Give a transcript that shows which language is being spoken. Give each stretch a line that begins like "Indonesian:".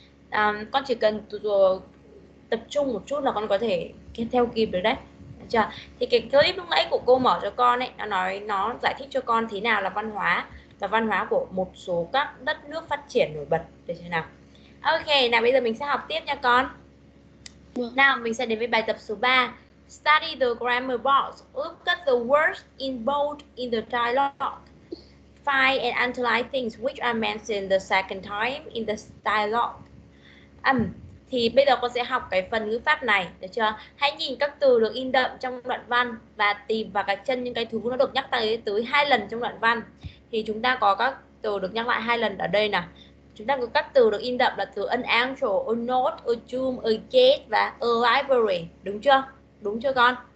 Vietnamese: À, con chỉ cần tập trung một chút là con có thể theo kịp được đấy. Được chưa? Thì cái clip lúc nãy của cô mở cho con ấy, nó nói nó giải thích cho con thế nào là văn hóa và văn hóa của một số các đất nước phát triển nổi bật để thế nào. Ok, nào bây giờ mình sẽ học tiếp nha con. Được. Nào mình sẽ đến với bài tập số 3.
English: Study the grammar box. Look at the words in bold in the dialogue. Find and analyze things which are mentioned the second time in the dialogue.
Vietnamese: Thì bây giờ con sẽ học cái phần ngữ pháp này, được chưa? Hãy nhìn các từ được in đậm trong đoạn văn và tìm vào cái chân những cái thứ nó được nhắc tới 2 lần trong đoạn văn. Thì chúng ta có các từ được nhắc lại 2 lần ở đây nè. Chúng ta có các từ được in đậm là từ an angel, a note, a tomb, a gate và a library. Đúng chưa? Đúng chưa con?